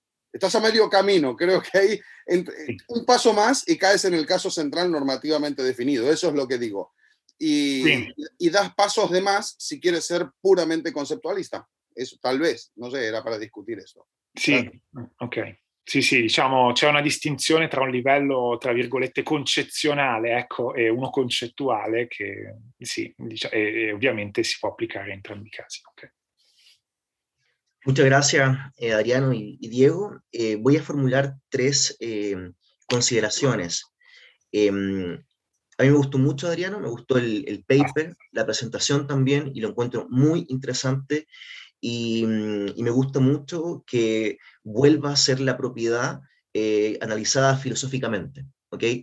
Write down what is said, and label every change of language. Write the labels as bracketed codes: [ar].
[es] Estás a medio camino, creo que hay un paso más y caes en el caso central normativamente definido, eso es lo que digo. Y das pasos de más si quieres ser puramente conceptualista. Eso, tal vez, no sé, era para discutir eso. [it] Sì, ok. Sì, sì, diciamo, c'è una distinzione tra un livello, tra virgolette, concezionale, ecco, e uno concettuale che, sì, diciamo, e ovviamente si può applicare in entrambi i casi. Okay. [es] Muchas gracias, Adriano y Diego. Voy a formular tres consideraciones. A mí me gustó mucho, Adriano, me gustó el paper, la presentación también, y lo encuentro muy interesante. Y me gusta mucho que vuelva a ser la propiedad analizada filosóficamente, ¿okay?